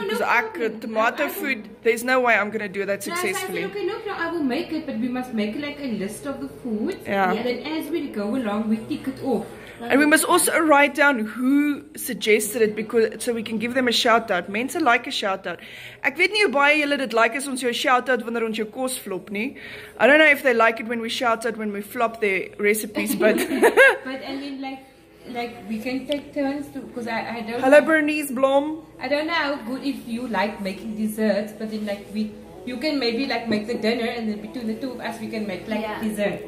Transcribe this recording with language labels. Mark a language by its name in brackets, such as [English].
[English] because no, tomato food, there's no way I'm going to do that successfully. So I said, okay, no, I will make it, but we must make like a list of the foods. Yeah. And then as we go along, we tick it off. And we must also write down who suggested it because so we can give them a shout out. Mense like a shout out. [Afrikaans] Ek weet nie hoe baie julle dit like as ons jou [English] shout out [Afrikaans] wanneer ons jou kos flop nie. [English] I don't know if they like it when we shout out when we flop their recipes, but but and then like we can take turns because I don't Hello Bernice Blom. I don't know how good if you like making desserts, but then like you can maybe like make the dinner and then between the two of us we can make like dessert.